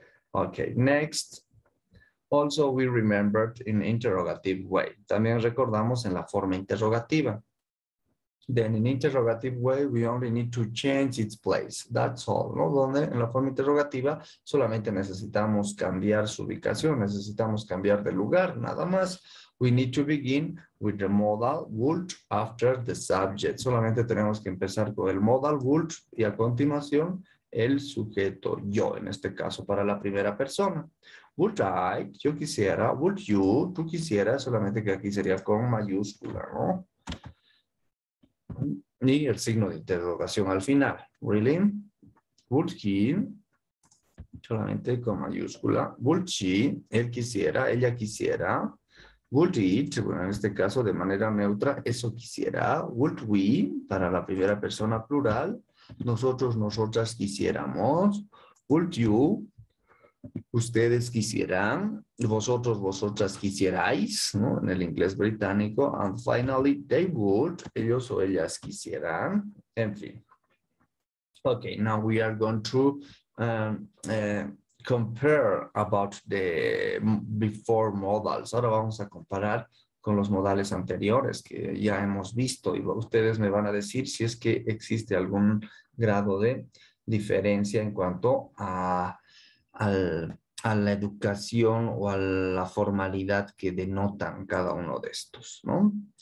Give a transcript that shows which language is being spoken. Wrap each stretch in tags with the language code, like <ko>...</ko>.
<en>Ok, next. Also we remembered in interrogative way.</en> <es>También recordamos en la forma interrogativa.</es> <en>Then in interrogative way, we only need to change its place. That's all, ¿no?</en> <es>Donde en la forma interrogativa solamente necesitamos cambiar su ubicación, necesitamos cambiar de lugar, nada más.</es> <en>We need to begin with the modal would after the subject.</en> <es>Solamente tenemos que empezar con el modal would y a continuación el sujeto, yo, en este caso para la primera persona. Would I, yo quisiera, would you, tú quisieras, solamente que aquí sería con mayúscula, ¿no? Y el signo de interrogación al final.</es> <en>Really? Would he?</en> <es>Solamente con mayúscula. Would she? Él quisiera, ella quisiera. Would it? Bueno, en este caso de manera neutra, eso quisiera. Would we? Para la primera persona plural. Nosotros, nosotras quisiéramos. Would you? Ustedes quisieran. Vosotros, vosotras quisierais, ¿no? En el inglés británico.</es> <en>And finally, they would,</en> <es>ellos o ellas quisieran. En fin.</es> <en>Okay, now we are going to compare about the before modals.</en> <es>Ahora vamos a comparar con los modales anteriores que ya hemos visto. Y ustedes me van a decir si es que existe algún grado de diferencia en cuanto a la educación o a la formalidad que denotan cada uno de estos, ¿no?</es>